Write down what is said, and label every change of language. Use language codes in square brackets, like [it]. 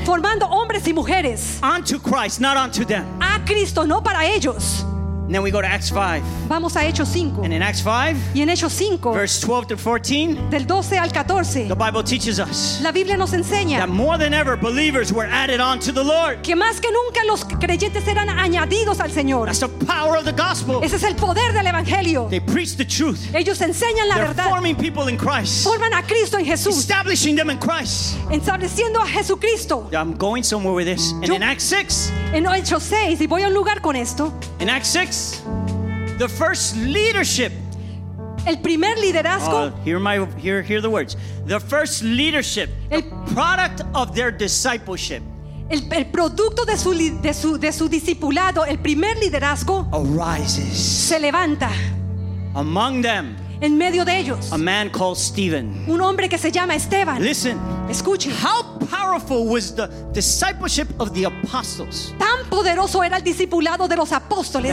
[es] Formando hombres y mujeres. [en] Unto Christ, not unto them. [es] A Cristo, no para ellos. [en] And then we go to Acts 5. [es] Vamos a Hechos 5. [en] And in Acts 5, [es] y en Hechos 5, [en] verse 12 to 14, [es] del 12 al 14, [en] the Bible teaches us, [es] la Biblia nos enseña, [en] that more than ever believers were added on to the Lord. [es] Que más que nunca los creyentes eran añadidos al Señor. [en] That's the power of the gospel. [es] Ese es el poder del evangelio. [en] They preach the truth. [es] Ellos enseñan la [en] They're [es] verdad. [en] Forming people in Christ. [es] Forman a Cristo en Jesús. [en] Establishing them in Christ. [es] Estableciendo a Jesucristo. [en] I'm going somewhere with this. And in Acts 6, [es] en Hechos 6, y voy a un lugar con esto. [en] In Acts 6, the first leadership. [es] El primer liderazgo. [en] Hear the words. The first leadership. El product of their discipleship. [es] El producto de su discipulado. El primer liderazgo. [en] Arises. [es] Se levanta. [en] Among them. [es] En medio de ellos. [en] A man called Stephen. [es] Un hombre que se llama Esteban. [en] Listen. [es] Escuche. [en] How powerful was the discipleship of the apostles? [es] Tan poderoso era el discipulado de los apóstoles.